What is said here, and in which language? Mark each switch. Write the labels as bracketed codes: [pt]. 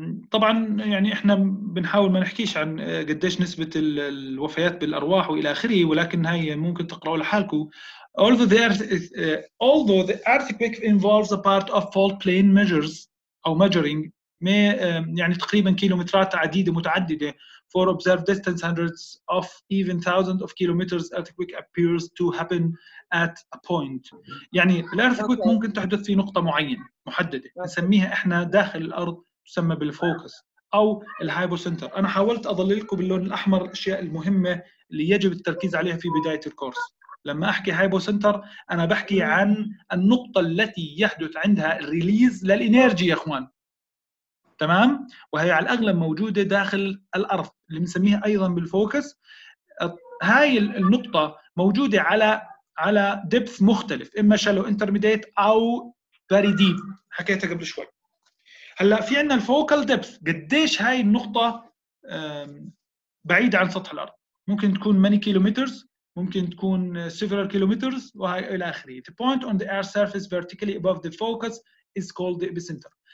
[ar] طبعا يعني احنا بنحاول ما نحكيش عن قديش نسبة الوفيات بالارواح والى اخره، ولكن هاي ممكن تقرأوا لحالكم. [en] Although the earthquake involves a part of fault plane measures او measuring [ar] يعني تقريبا كيلومترات عديدة متعددة. [en] For observed distance hundreds of even thousands of kilometers earthquake appears to happen at a point. [ar] يعني الارثكويت ممكن تحدث في نقطة معينة محددة نسميها احنا داخل الارض، تسمى بالفوكس او الهايبوسنتر. انا حاولت اضللكم باللون الاحمر الاشياء المهمة اللي يجب التركيز عليها في بداية الكورس. لما احكي هايبوسنتر انا بحكي عن النقطة التي يحدث عندها الريليز للإنيرجي يا اخوان، تمام؟ وهي على الاغلب موجودة داخل الارض اللي بنسميها ايضا بالفوكس. هاي النقطة موجودة على ديبث مختلف، اما شالو انترميديت او فيري ديب، حكيتها قبل شوي. هلا في عندنا الفوكال ديبث، قديش هاي النقطه بعيده عن سطح الارض، ممكن تكون ماني كيلومترز، ممكن تكون سيفرال كيلومترز وهي الى اخره. [en] The point on the air surface vertically above the focus is called the epicenter.